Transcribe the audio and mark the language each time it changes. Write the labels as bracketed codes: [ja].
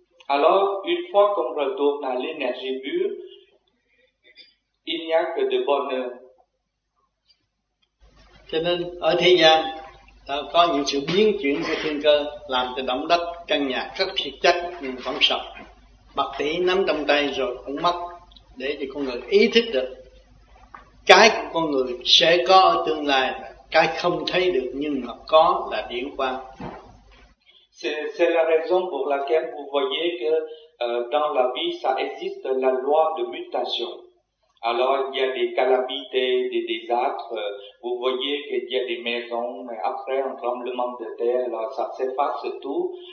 [fr] Alors, une fois qu'on retourne à l'énergie pure, il n'y a que de bonheur. [vi] Cho nên ở thế gian có những sự biến chuyển của thiên cơ, làm cho động đất căn nhà rất thiệt chất nhưng vẫn sập, bạc tỷ nắm trong tay rồi cũng mất. Để cho con người ý thức được cái của con người sẽ có ở tương lai, cái không thấy được nhưng mà có là điển quang. [fr] C'est la raison pour laquelle vous voyez que dans la vie ça existe la loi de mutation. Alors, il y a des calamités, des désastres. Vous voyez qu'il y a des maisons, mais après un tremblement de terre, alors ça s'efface tout.